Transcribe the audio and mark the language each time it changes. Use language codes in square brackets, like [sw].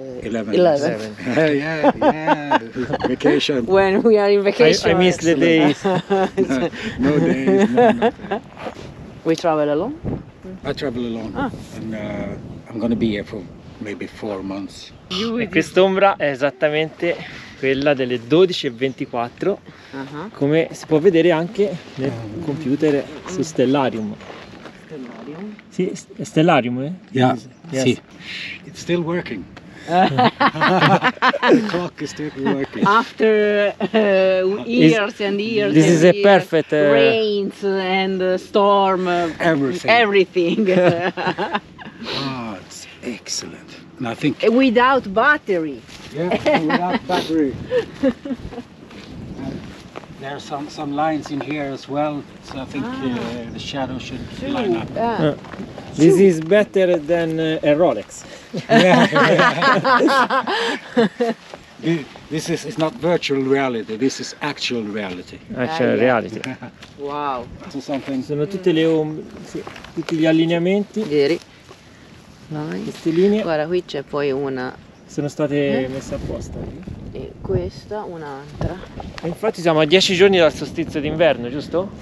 [en] 11. Yeah. Vacation. When we are in vacation. I miss the days. No days. We travel alone? I travel alone. Ah. And I'm going to be here for maybe 4 months. [it] E quest'ombra è esattamente quella delle 12:24, come si può vedere anche nel computer su Stellarium. Stellarium? Sì, Stellarium, eh? [en] Yeah, yes. [it] Sì. [en] It's still working. The clock is still working. After years and years. This is a perfect... rains and storm. Everything. Ah, oh, it's excellent. And I think without battery. Yeah, without battery. And there are some lines in here as well, so I think the shadow should line up. This is better than a Rolex. Yeah. It's not virtual reality. This is actual reality. Reality. Wow. So something. [it] Sono tutte le tutti gli allineamenti. Vieri. Queste linee. Guarda, qui c'è poi una. Sono state messe apposta. E questa, un'altra. E infatti siamo a 10 giorni dal solstizio d'inverno, giusto?